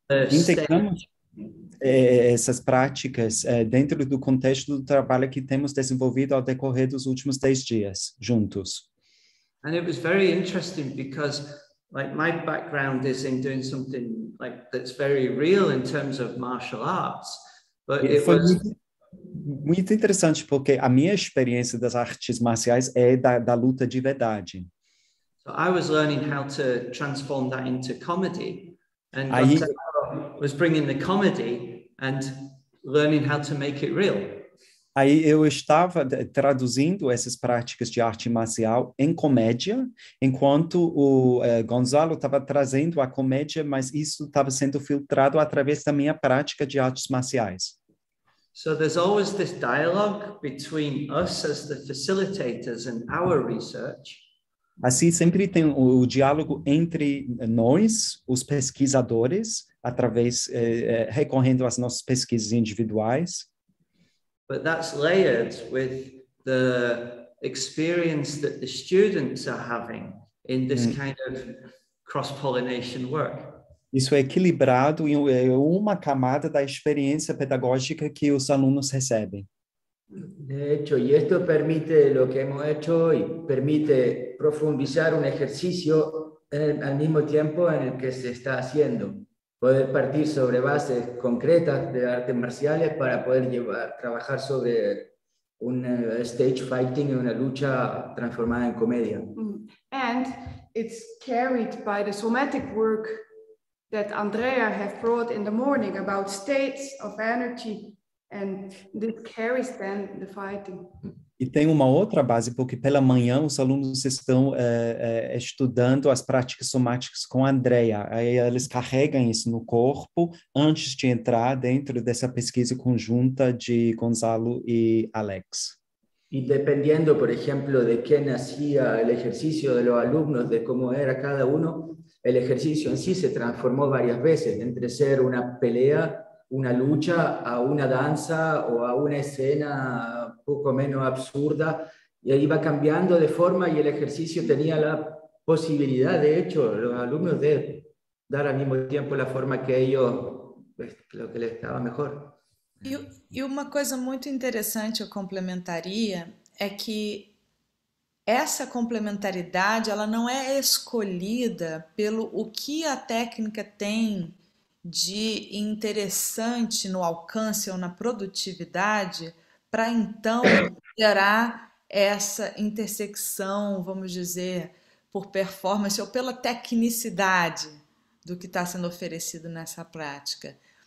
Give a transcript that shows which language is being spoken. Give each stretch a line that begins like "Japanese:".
Portuguese: Integramos essas práticas dentro do contexto do trabalho que temos desenvolvido ao decorrer dos últimos 10 dias juntos.
English: And it was very interesting because like my background is in doing something like that's very real in terms of martial arts, but it
Portuguese: foi
English: was
Portuguese: muito interessante porque a minha experiência das artes marciais é da luta de verdade.
English: So I was learning how to transform that into comedy, and I was bringing the comedy and learning how to make it real.
Portuguese: Aí eu estava traduzindo essas práticas de arte marcial em comédia, enquanto o Gonzalo estava trazendo a comédia, mas isso estava sendo filtrado através da minha prática de artes marciais.
English: So there's always this dialogue between us as the facilitators and our research.
Portuguese: Assim, sempre tem o diálogo entre nós, os pesquisadores, através, recorrendo às nossas pesquisas individuais.
English: But that's layered with the experience that the students are having in this kind of cross-pollination work.
Portuguese: Isso é equilibrado em uma camada da experiência pedagógica que os alunos recebem.
Spanish: De hecho, y esto permite lo que hemos hecho hoy, permite profundizar un ejercicio al mismo tiempo en el que se está haciendo. Poder partir sobre bases concretas de artes marciales para poder llevar, trabajar sobre un stage fighting, una lucha transformada en comedia.
English: And it's carried by the somatic work that Andrea has brought in the morning about states of energy. And this carries then the fighting.
Portuguese: E tem uma outra base, porque pela manhã os alunos estão estudando as práticas somáticas com a Andrea. Aí eles carregam isso no corpo antes de entrar dentro dessa pesquisa conjunta de Gonzalo e Alex. E dependendo, por exemplo, de quem nascia o exercício de los alunos, de como era cada um, o exercício em si se transformou várias vezes, entre ser uma
Spanish: pelea, una lucha, a una danza o a una escena poco menos absurda, y ahí va cambiando de forma y el ejercicio tenía la posibilidad, de hecho, los alumnos de dar al mismo tiempo la forma que ellos, pues, lo que les estaba mejor. Y una cosa muy interesante, yo complementaría, es que
Portuguese: essa complementaridad ela no es escolhida pelo o que a técnica tem de interessante no alcance ou na produtividade para então gerar essa intersecção, vamos dizer, por performance ou pela tecnicidade do que está sendo oferecido nessa prática.